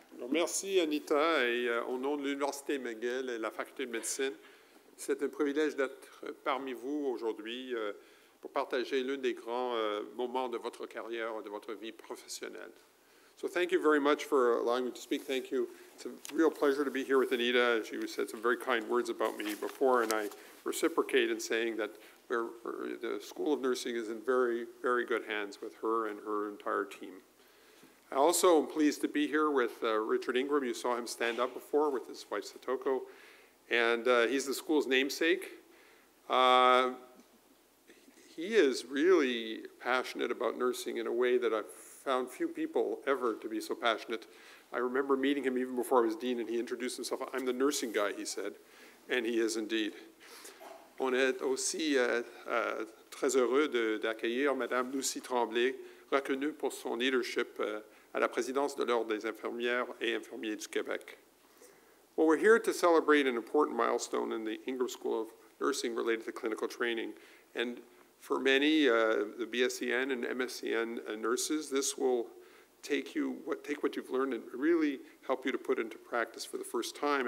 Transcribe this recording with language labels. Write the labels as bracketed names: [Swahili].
[French] Merci Anita et au nom de l'Université McGill et la Faculté de médecine, c'est un privilège d'être parmi vous aujourd'hui pour partager l'un des grands moments de votre carrière et de votre vie professionnelle. [English] So thank you very much for allowing me to speak. Thank you. It's a real pleasure to be here with Anita. She said some very kind words about me before, and I reciprocate in saying that the School of Nursing is in very, very good hands with her and her entire team. I also am pleased to be here with Richard Ingram. You saw him stand up before with his wife, Satoko, and he's the school's namesake. He is really passionate about nursing in a way that I've found few people ever to be so passionate. I remember meeting him even before I was dean, and he introduced himself. I'm the nursing guy, he said, and he is indeed. [French] On est aussi très heureux d'accueillir Madame Lucie Tremblay, reconnue pour son leadership à la présidence de l'Ordre des infirmières et infirmiers du Québec. [English] Well, we're here to celebrate an important milestone in the Ingram School of Nursing related to clinical training. And for many, the BSCN and MSCN nurses, this will take what you've learned and really help you to put into practice for the first time.